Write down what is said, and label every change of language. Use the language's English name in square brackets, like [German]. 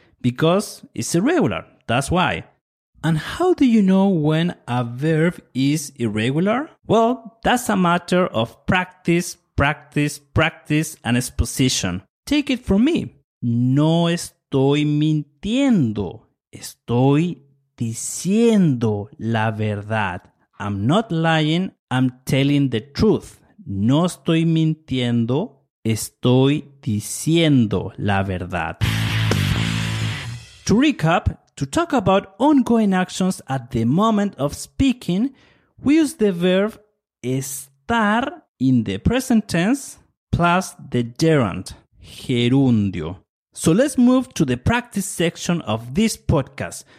[English] Because it's irregular, that's why. And how do you know when a verb is irregular? Well, that's a matter of practice, practice, practice, and exposition. Take it from me. [Spanish] No estoy mintiendo. Estoy diciendo la verdad. [English] I'm not lying, I'm telling the truth. [Spanish] No estoy mintiendo, estoy diciendo la verdad. [English] To recap, to talk about ongoing actions at the moment of speaking, we use the verb estar in the present tense plus the gerund, gerundio. So let's move to the practice section of this podcast.